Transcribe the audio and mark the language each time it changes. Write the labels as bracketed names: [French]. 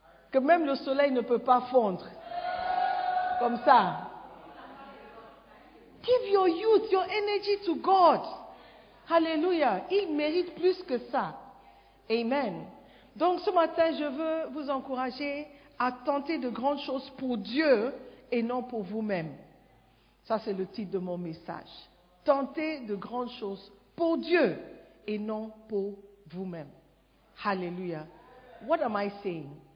[French] Que même le soleil ne peut pas fondre. Comme ça. [English] Give your youth, your energy to God. [French] Hallelujah. Il mérite plus que ça. Amen. Donc ce matin, je veux vous encourager à tenter de grandes choses pour Dieu et non pour vous-même. Ça, c'est le titre de mon message. Tenter de grandes choses pour Dieu et non pour vous-même. Hallelujah. [English] What am I saying?